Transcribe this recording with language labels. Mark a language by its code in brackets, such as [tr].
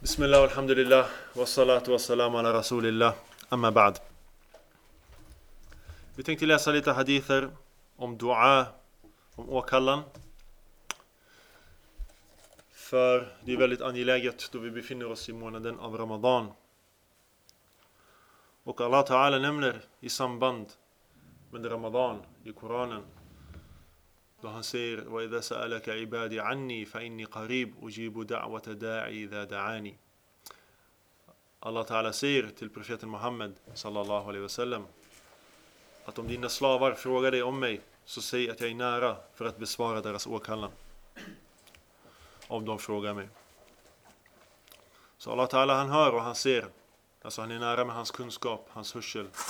[ar] بسم الله والحمد لله والصلاة والسلام على رسول الله. أما بعد, [sv] vi tänkte läsa lite hadither om dua, om åkallan. För det är väldigt angeläget då vi befinner oss i månaden av Ramadan. Och Allah Ta'ala nämner i samband med Ramadan i Koranen. Då han säger: [ar] وَإِذَا سَأَلَكَ عِبَادِ عَنِّي فَإِنِّي قَرِيبُ أُجِيبُ دَعْوَةَ دَاعِي إِذَا دَعَانِي. [sv] Allah Ta'ala säger till profeten Muhammad sallallahu alaihi wasallam att om dina slavar frågar dig om mig, så säg att jag är nära för att besvara deras åkallan om de frågar mig. Så Allah Ta'ala, han hör och han ser. Alltså han är nära med hans kunskap, hans hörsel.